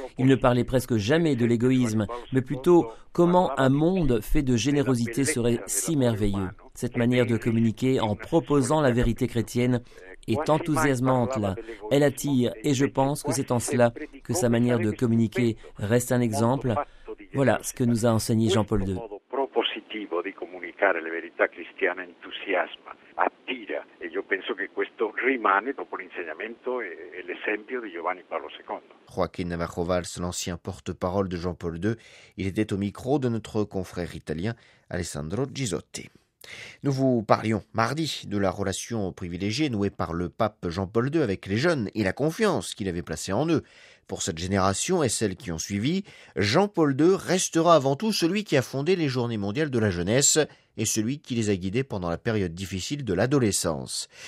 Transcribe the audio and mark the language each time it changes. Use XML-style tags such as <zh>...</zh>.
<fr>Il ne parlait presque jamais de l'égoïsme, mais plutôt comment un monde fait de générosité serait si merveilleux. Cette manière de communiquer en proposant la vérité chrétienne est enthousiasmante, là. Elle attire, et je pense que c'est en cela que sa manière de communiquer reste un exemple. Voilà ce que nous a enseigné Jean-Paul II.</fr> <it>Di comunicare la verità cristiana entusiasma, attira, e io penso che questo rimane dopo l'insegnamento e l'esempio di Giovanni Paolo II.</it> <fr>Joaquín Navarro Valls, l'ancien porte-parole de Jean-Paul II, il était au micro de notre confrère italien Alessandro Gisotti. Nous vous parlions mardi de la relation privilégiée nouée par le pape Jean-Paul II avec les jeunes et la confiance qu'il avait placée en eux. Pour cette génération et celles qui ont suivi, Jean-Paul II restera avant tout celui qui a fondé les Journées mondiales de la jeunesse et celui qui les a guidés pendant la période difficile de l'adolescence.</fr>